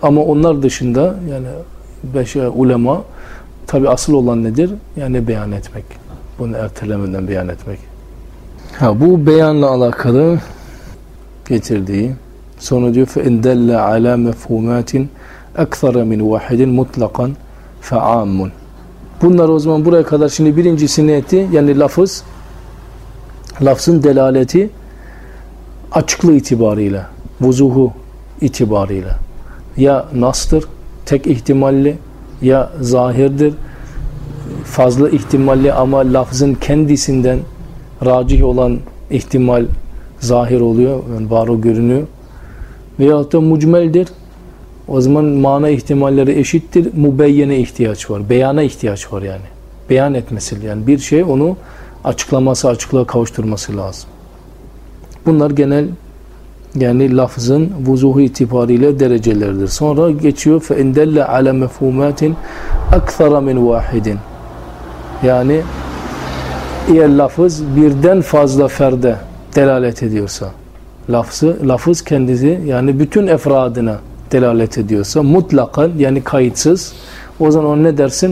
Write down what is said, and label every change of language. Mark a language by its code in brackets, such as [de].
[tr] Ama onlar dışında yani beşer ulema tabi asıl olan nedir? Yani beyan etmek. Bunu ertelemeden beyan etmek. Ha, bu beyanla alakalı getirdiği sonra diyor [ar] فَاِنْ دَلَّ عَلَى مَفْهُومَاتٍ اَكْثَرَ مِنْ وَحَدٍ مُطْلَقًا فَعَامٌ. [tr] Bunlar o zaman buraya kadar şimdi birincisi ne etti? Yani lafzın delaleti açıklığı itibarıyla, vuzuhu itibarıyla ya nastır, tek ihtimalli ya zahirdir, fazla ihtimalli ama lafzın kendisinden racih olan ihtimal zahir oluyor, yani var o görünüyor. Veyahut da mucmeldir, o zaman mana ihtimalleri eşittir, mübeyyene ihtiyaç var, beyana ihtiyaç var yani. Beyan etmesi, yani bir şey onu açıklaması, açıklığa kavuşturması lazım. Bunlar genel, yani lafzın vuzuhu itibariyle dereceleridir. Sonra geçiyor [ar] فَاِنْ دَلَّ عَلَى مَفْهُومَاتٍ اَكْثَرَ مِنْ وَاحِدٍ. [tr] Yani eğer lafız birden fazla ferde delalet ediyorsa, lafız kendisi yani bütün efradına delalet ediyorsa, mutlakan yani kayıtsız, o zaman ona ne dersin?